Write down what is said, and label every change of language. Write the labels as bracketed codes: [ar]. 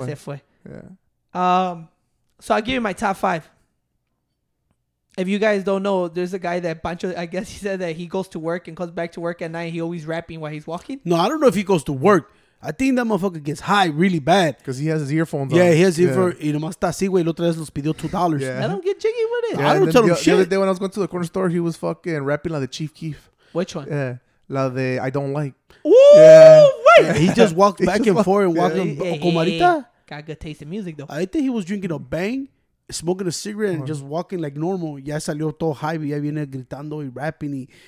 [en] I said fue. Yeah. So I'll give you my top five. If you guys don't know, there's a guy that Pancho, I guess he said that he goes to work and comes back to work at night. He always rapping while he's walking. No, I don't know if he goes to work. I think that motherfucker gets high really bad. Because he has his earphones yeah, on. Yeah, he has his earphones. [es] Y nomás está así, güey. El otro día nos pidió $2. [en] I don't get jiggy with it. Yeah, I don't tell him shit. The other day when I was going to the corner store, he was fucking rapping like the Chief Keef. Which one? Yeah. La de I Don't Like. Ooh, yeah. Wait. He just walked back just and forth and walked on Comarita. Got good taste in music, though. I think he was drinking a bang, smoking a cigarette, and just walking like normal. [es] Ya salió todo high, ya viene gritando y rapping.